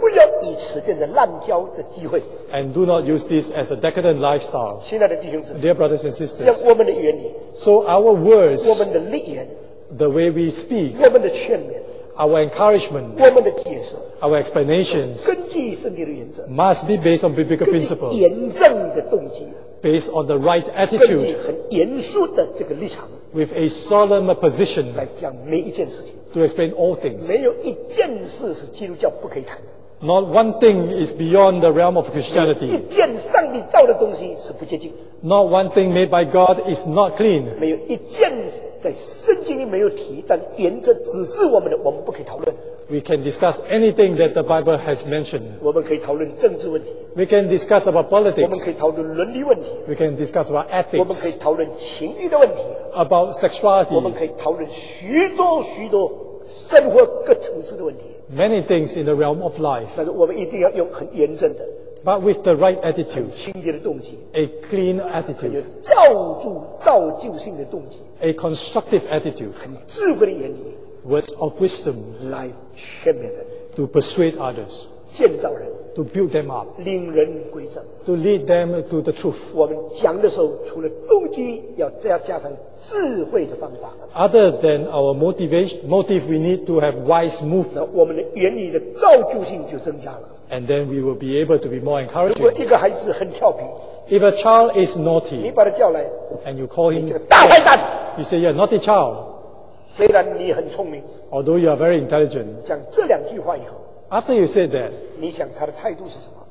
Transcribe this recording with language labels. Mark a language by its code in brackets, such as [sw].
[zh] 不要以此变成滥交的机会。 [en] And do not use this as a decadent lifestyle. [zh] 亲爱的弟兄姊妹 [en] ，Dear brothers and sisters, [zh] 这样我们的原理。 [en] So our words, [zh] 我们的立言, [en] the way we speak, [zh] 我们的劝勉, [en] our encouragement, [zh] 我们的解释, [en] our explanations, [zh] 根据圣经的原则, [en] must be based on biblical principles, [zh] 根据严正的动机, [en] based on the right attitude, [zh] 根据很严肃的这个立场, [en] with a solemn position, [zh] 来讲每一件事情, [en] to explain all things. [zh] 没有一件事是基督教不可以谈的。 [en] Not one thing is beyond the realm of Christianity. [zh] 一件上帝造的东西是不洁净。 [en] Not one thing made by God is not clean. [zh] 没有一件在圣经里没有提，但原则指示我们的，我们不可以讨论。 [en] We can discuss anything that the Bible has mentioned. [zh] 我们可以讨论政治问题。 [en] We can discuss about politics. [zh] 我们可以讨论伦理问题。 [en] We can discuss about ethics. [zh] 我们可以讨论情欲的问题。 [en] About sexuality. [zh] 我们可以讨论许多许多生活各层次的问题。 [en] Many things in the realm of life. [zh] 但是我们一定要用很严正的。 [en] But with the right attitude. [zh] 很清洁的动机。 [en] A clean attitude. [zh] 很造就、造就性的动机。 [en] A constructive attitude. [zh] 很智慧的言语。 [en] Words of wisdom. [zh] 来劝勉人。 [en] To persuade others. [zh] 建造人。 [en] To build them up. [zh] 领人归正。 [en] To lead them to the truth. [zh] 我们讲的时候，除了动机，要再加上智慧的方法。 [en] Other than our motive, we need to have wise move. [zh] 那我们的原理的造就性就增加了。 [en] And then we will be able to be more encouraging. [zh] 如果一个孩子很调皮 [en] ，If a child is naughty, [zh] 你把他叫来 [en] ，and you call him [zh] 这个大坏蛋 [en] ，you say you're a naughty child. [zh] 虽然你很聪明 [en] ，although you are very intelligent. [zh] 讲这两句话以后 [en] After you said that, [zh] 你想他的态度是什么？